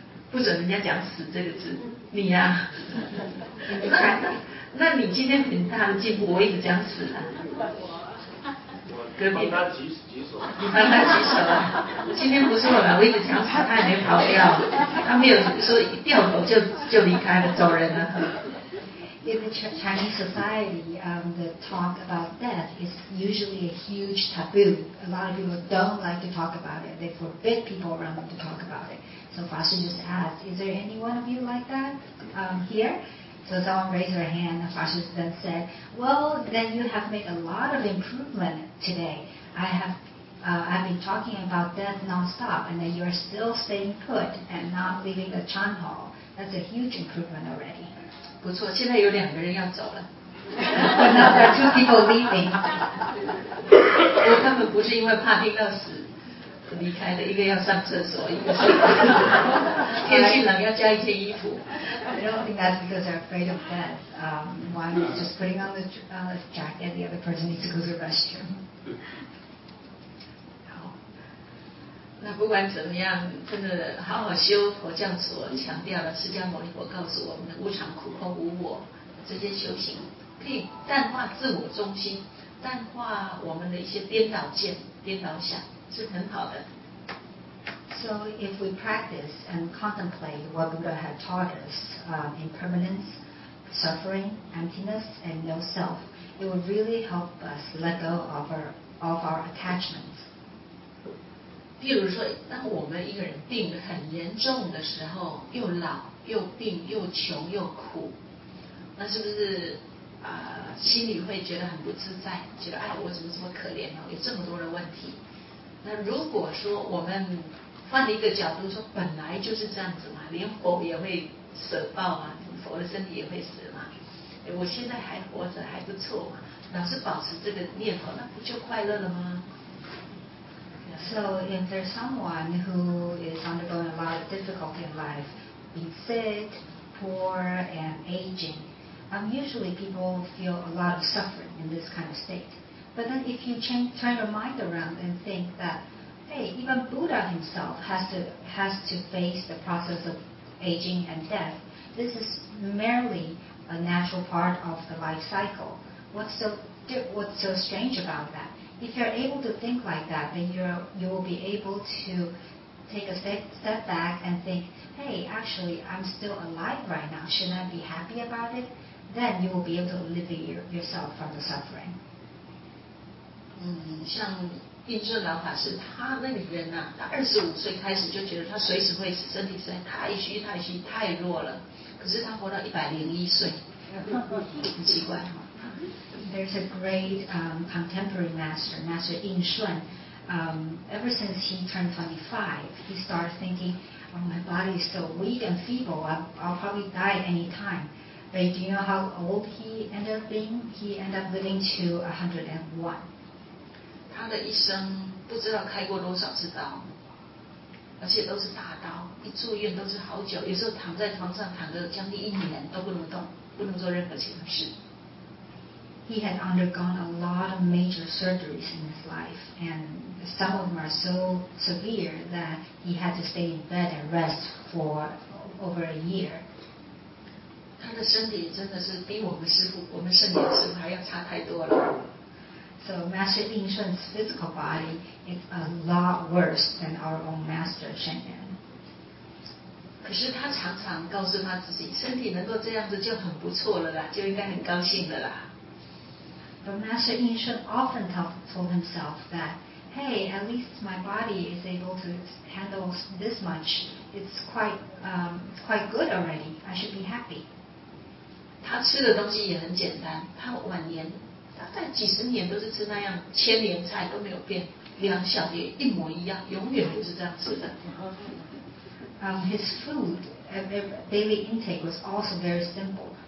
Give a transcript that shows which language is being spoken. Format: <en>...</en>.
<zh>不准人家讲死这个字，你呀、啊？那你今天很大的进步，我一直讲死了。帮他举手，帮他举手啊！今天不是我了，我一直讲他，他也没跑掉，他没有说一掉头就离开了，走人了。</zh> <en>In the Chinese society, the talk about death is usually a huge taboo. A lot of people don't like to talk about it. They forbid people around them to talk about it. So Fa Shi just asked, "Is there any one of you like that here?" So someone raised her hand, and Fa Shi then said, "Well, then you have made a lot of improvement today. I've been talking about death nonstop, and then you are still staying put and not leaving the Chan Hall. That's a huge improvement already."</en> <zh>不错，现在有两个人要走了。</zh> <en>Now there are two people leaving.</en> <zh>我根本不是因为怕听到死离开的，一个要上厕所，一个天气冷要加一件衣服。</zh> <en>I don't think that's because they're afraid of death. One is just putting on the jacket, the other person needs to go to the restroom.</en> <zh>好，那不管怎么样，真的好好修。佛教所强调的释迦牟尼佛告诉我们的无常、苦空、无我，这些修行可以淡化自我中心，淡化我们的一些颠倒见、颠倒想，是很好的。</zh> <en>So if we practice and contemplate what Buddha had taught us, impermanence, suffering, emptiness, and no self, it will really help us let go of our attachments.</en> <zh>比如说，当我们一个人病得很严重的时候，又老又病又穷又苦，那是不是心里会觉得很不自在？觉得哎，我怎么这么可怜呢？有这么多的问题。那如果说我们换一个角度说，本来就是这样子嘛，连佛也会舍报嘛，佛的身体也会死嘛。我现在还活着还不错嘛，老是保持这个念头，那不就快乐了吗？</zh> <en>So if there's someone who is undergoing a lot of difficulty in life, being sick, poor, and aging, usually people feel a lot of suffering in this kind of state. But then if you turn your mind around and think that,Hey, even Buddha himself has to face the process of aging and death. This is merely a natural part of the life cycle. What's so strange about that? If you're able to think like that, then you will be able to take a step back and think, hey, actually, I'm still alive right now. Shouldn't I be happy about it? Then you will be able to alleviate yourself from the suffering.</en> <zh>像印顺老法师，他那个人呐、啊，他25岁开始就觉得他随时会死，身体实在太虚太虚太弱了。可是他活到101岁，很奇怪哈。</zh> <en>There's a great contemporary master, Master 印顺。 Ever since he turned 25, he started thinking, "Oh, my body is so weak and feeble. I'll probably die any time." But do you know how old he ended up being? He ended up living to 101.</en> <zh>他的一生不知道开过多少次刀，而且都是大刀，一住院都是好久，有时候躺在床上躺个将近1年都不能动，不能做任何其他事。</zh> <en>He had undergone a lot of major surgeries in his life, and some of them are so severe that he had to stay in bed and rest for over a year.</en> <zh>他的身体真的是比我们师父、我们圣严师父还要差太多了。</zh> <en>So Master Yin Shun's physical body is a lot worse than our own Master Shen Yan.</en> <zh>可是他常常告诉他自己，身体能够这样子就很不错了啦，就应该很高兴了啦。</zh> <en>But Master Yin Shun often told himself that, hey, at least my body is able to handle this much. It's quite good already. I should be happy.</en> <zh>他吃的东西也很简单，他晚年大概几十年都是吃那样千年菜都没有变，两小碟一模一样，永远都是这样吃的。</zh> <en>His food daily intake was also very simple.</en>